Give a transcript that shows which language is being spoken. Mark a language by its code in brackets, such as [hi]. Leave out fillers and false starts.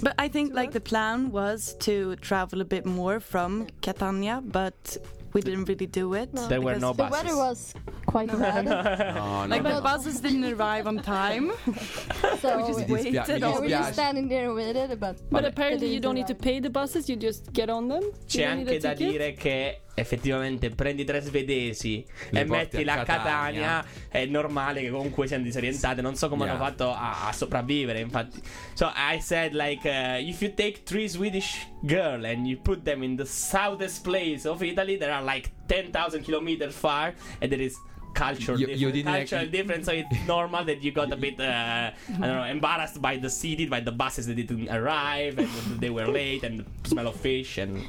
[en] But I think the plan was to travel a bit more from Catania, but we didn't really do it. No. There were no buses. The weather was quite bad. The buses didn't arrive on time. So we just waited. We were just standing there and waited. But apparently you don't need to pay the buses, you just get on them. [it] C'è anche da dire che effettivamente prendi 3 svedesi e metti la Catania, è normale che comunque siano disorientate. Non so come hanno fatto a sopravvivere, infatti. [en] So I said if you take 3 Swedish girls and you put them in the southest place of Italy, there are 10,000 kilometers far, and there is culture difference. So it's normal that you got a bit embarrassed by the city, by the buses that didn't arrive and they were late and the smell of fish and